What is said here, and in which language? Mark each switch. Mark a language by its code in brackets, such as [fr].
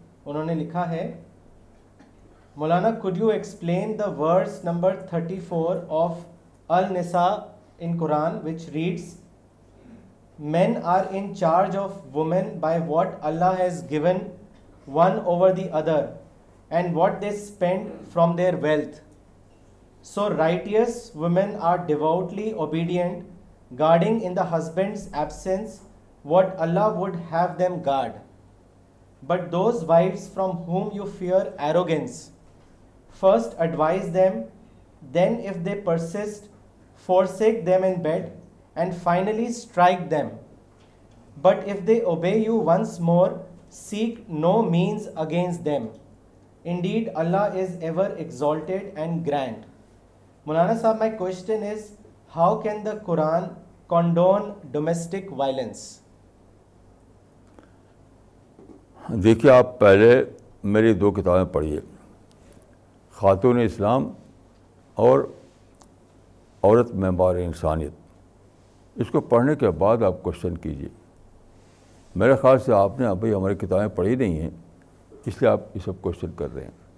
[hi] उन्होंने लिखा है, [en] मौलाना could you explain the verse number 34 of Al Nisa in Quran which reads, men are in charge of women by what Allah has given one over the other and what they spend from their wealth, so righteous women are devotedly obedient guarding in the husband's absence what Allah would have them guard. But those wives from whom you fear arrogance, first advise them, then if they persist, forsake them in bed, and finally strike them. But if they obey you once more, seek no means against them. Indeed, Allah is ever exalted and grand. Mulana sahab, my question is, how can the Quran condone domestic violence? [hi] देखिए, आप पहले मेरी दो किताबें पढ़िए, खातून इस्लाम और औरत मेंबार इंसानियत। इसको पढ़ने के बाद आप क्वेश्चन कीजिए। मेरे ख्याल से आपने अभी हमारी किताबें पढ़ी नहीं हैं, इसलिए आप ये सब क्वेश्चन कर रहे हैं।